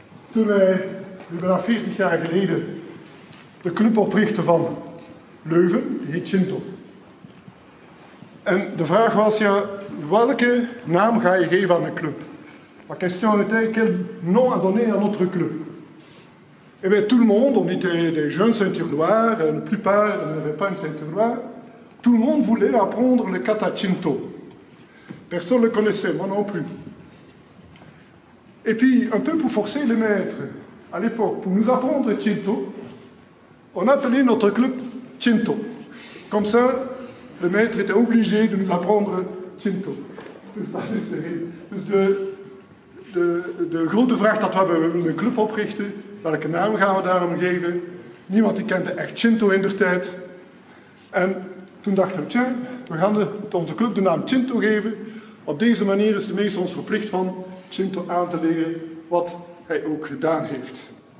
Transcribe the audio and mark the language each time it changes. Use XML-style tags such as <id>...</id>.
<nl>Toen wij, nu bijna 40 jaar geleden, de club oprichtte van Leuven, die heet Shinto. En de vraag was, ja, welke naam ga je geven aan de club?</nl> <fr>La question était, quel nom a donné à notre club? Et bien, tout le monde, on était des jeunes ceintures noires, la plupart n'avaient pas une ceinture noire, tout le monde voulait apprendre le kata Shinto. Personne ne le connaissait, moi non plus. Et puis, un peu pour forcer les maîtres, à l'époque, pour nous apprendre Shinto, on appelait notre club Shinto. Comme ça, le maître était obligé de nous apprendre Shinto.</fr> <nl>De grote vraag dat we hebben, we willen een club oprichten. Welke naam gaan we daarom geven? Niemand die kende echt Shinto in der tijd. En toen dachten we, tja, we gaan onze club de naam Shinto geven. Op deze manier is de meester ons verplicht van Shinto aan te leren wat hij ook gedaan heeft.</nl>